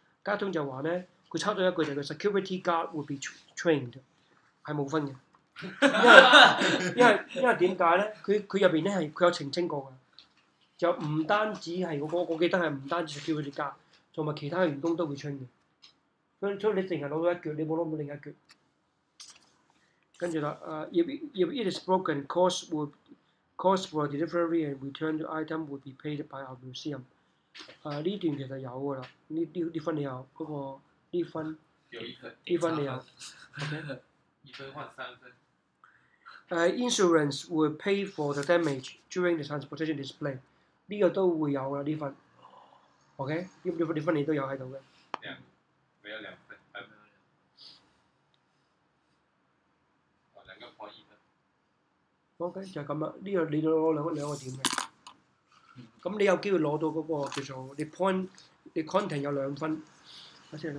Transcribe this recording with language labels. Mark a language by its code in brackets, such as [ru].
[yue] 加通就話咧，佢抄咗一句就係 [en] security guard would be trained， [yue] 係冇分嘅。因為點解咧？佢入邊咧係佢有澄清過嘅，就唔單止係嗰、那個，我記得係唔單止叫佢哋加，同埋其他員工都會穿嘅。所以你淨係攞到一橛，你冇攞到另一橛。跟住啦， [en] if it is broken, cost for delivery and return the item would be paid by our museum。 [yue] 呢段其實有噶啦，呢分你有嗰、那個呢分，呢分你有。 [en] OK， [yue] 二分換三分。 [en] Insurance will pay for the damage during the transportation display。 [yue] 呢個都會有啦，呢份。 OK， 呢份你都有喺度嘅。兩，俾咗兩份，係咪？哦，兩個可以啦。OK， 就係咁啦。呢個你都攞兩個點嘅。咁你有機會攞到嗰個叫做你 point， 你 content 有兩分。我先問。